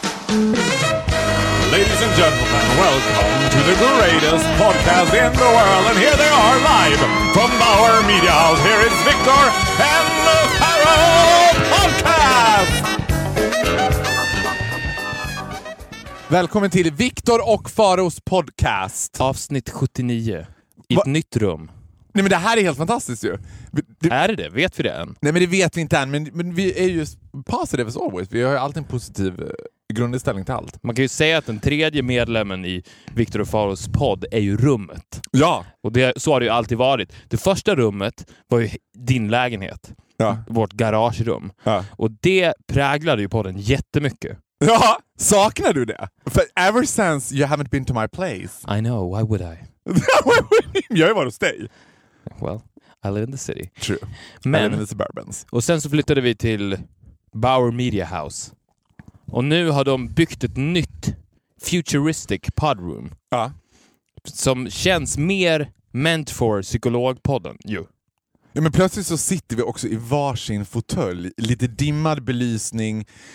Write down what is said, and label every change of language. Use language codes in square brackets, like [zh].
[en] Ladies and gentlemen, welcome to the greatest podcast in the world. And here they are, live from Bauer Media House. Here is Victor and the Pharaoh Podcast! [sv] Välkommen till Victor och Faros podcast. Avsnitt 79. Ett nytt rum. Nej, men det här är helt fantastiskt ju. Är det? Vet vi det än? Nej, men det vet vi inte än. Men vi är ju [en] positive as always. [sv] Vi har ju alltid en positiv grundinställning till allt. Man kan ju säga att den tredje medlemmen i Victor och Faros podd är ju rummet. Ja. Och det, så har det ju alltid varit. Det första rummet var ju din lägenhet. Ja. Vårt garagerum. Ja. Och det präglade ju podden jättemycket. Ja, saknar du det? [en] For ever since you haven't been to my place. I know, why would I? [sv] Jag är ju var hos dig. [en] Well, I live in the city. True. Men, I live in the suburbans. [sv] Och sen så flyttade vi till Bauer Media House. Och nu har de byggt ett nytt futuristic podroom. Ja. Som känns mer [en] meant for [sv] psykologpodden. Jo. Ja, men plötsligt så sitter vi också i varsin fåtölj. Lite dimmad belysning.